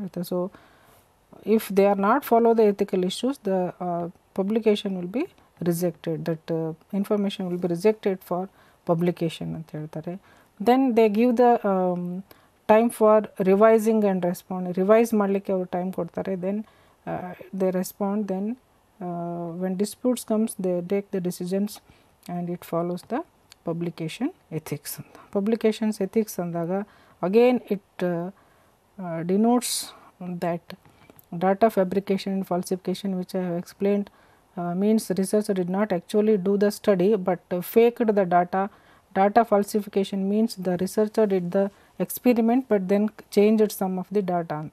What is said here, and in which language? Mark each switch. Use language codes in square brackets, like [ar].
[en] So if they are not follow the ethical issues, the publication will be rejected, that information will be rejected for publication. Then they give the time for revising and respond. [kn] Revise ಮಾಡಲಿಕ್ಕೆ ಅವ್ರು time ಕೊಡ್ತಾರೆ. [en] Then they respond. Then when disputes comes they take the decisions and it follows the publication ethics. Publications ethics andaga, again it denotes that data fabrication and falsification, which I have explained, means researcher did not actually do the study but faked the data. Data falsification means the researcher did the experiment but then changed some of the data.